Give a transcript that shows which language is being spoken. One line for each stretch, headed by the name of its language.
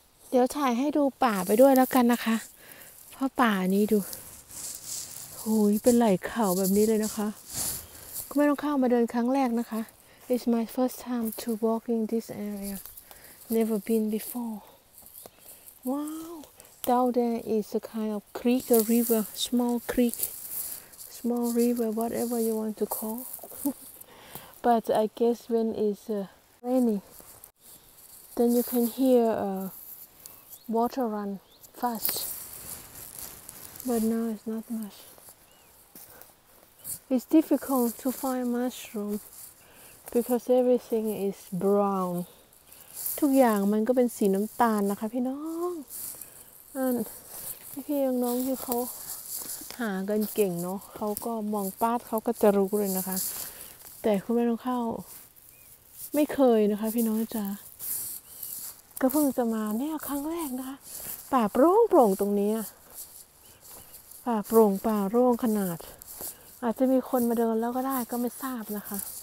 Thai: เดี๋ยวถ่ายให้ดูป่าไปด้วยแล้วกันนะคะเพราะป่านี้ดูโหยเป็นไหล่เขาแบบนี้เลยนะคะก็ไม่ต้องเข้ามาเดินครั้งแรกนะคะ
English: It's my first time to walk in this area. Never been before. Wow! Down there is a kind of creek, a river, small creek, small river, whatever you want to call. But I guess when it's raining, then you can hear a water run fast. But now it's not much. It's difficult to find mushroom because everything is brown.
Thai: ทุกอย่างมันก็เป็นสีน้ำตาลนะคะพี่น้องพี่น้องที่เขาหากันเก่งเนาะเขาก็มองป้าดเขาก็จะรู้เลยนะคะแต่คุณแม่ต้องเข้าไม่เคยนะคะพี่น้องจ๋าก็เพิ่งจะมาเนี่ยครั้งแรกนะคะป่าโปร่งๆตรงนี้ป่าโปร่งป่าโล่งขนาดอาจจะมีคนมาเดินแล้วก็ได้ก็ไม่ทราบนะคะ